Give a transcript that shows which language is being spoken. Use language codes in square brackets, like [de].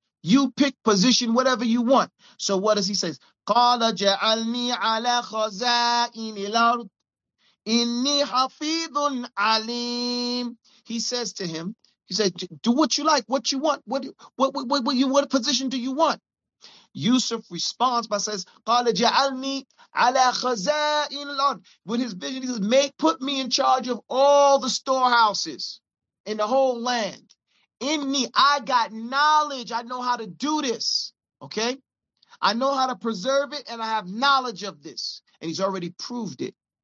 [en] You pick position, whatever you want. So what does he say? [ar] قَالَ جَعَلْنِي عَلَى خَزَائِنِ الْأَرْضِ إِنِّي حَفِيظٌ عَلِيمٌ. [en] He says to him, he said, do what you like, what you want. What position do you want? Yusuf responds by says, [ar] قَالَ جَعَلْنِي عَلَى خَزَائِنِ الْأَرْضِ. [en] With his vision, he says, put me in charge of all the storehouses in the whole land. In me, I got knowledge. I know how to do this. Okay? I know how to preserve it, and I have knowledge of this. And he's already proved it.